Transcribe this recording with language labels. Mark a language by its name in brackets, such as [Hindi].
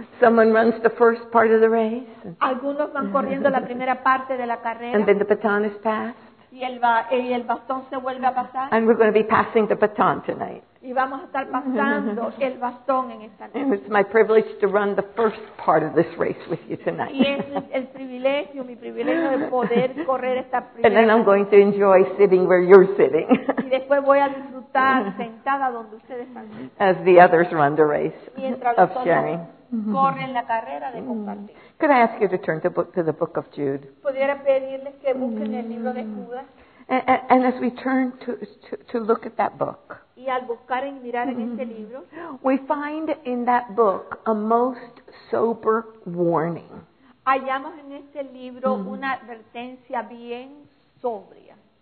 [English] Someone runs the first part of the race. [Spanish] Algunos van corriendo la primera parte de la carrera. [English] And then the baton is passed. [Spanish] Y el bastón se vuelve a pasar. [English] And we're going to be passing the baton tonight. [Spanish] Y vamos a estar pasando el bastón en esta noche. [English] And it's my privilege to run the first part of this race with you tonight. [Spanish] Y es el privilegio, mi privilegio de poder correr esta primera. [English] And then I'm going to enjoy sitting where you're sitting. [Spanish] Y después voy a disfrutar sentada donde ustedes están. [English] As the others run the race of sharing. [Spanish] Corren la carrera de compartir. [English] Could I ask you to turn to the book of Jude? [Spanish] Pudiera pedirles que busquen el libro de Judas. [English] And as we turn to look at that book, [Spanish] y al buscar y mirar en este libro, [English] we find in that book a most sober warning. [Spanish] Hallamos en este libro una advertencia bien sobria.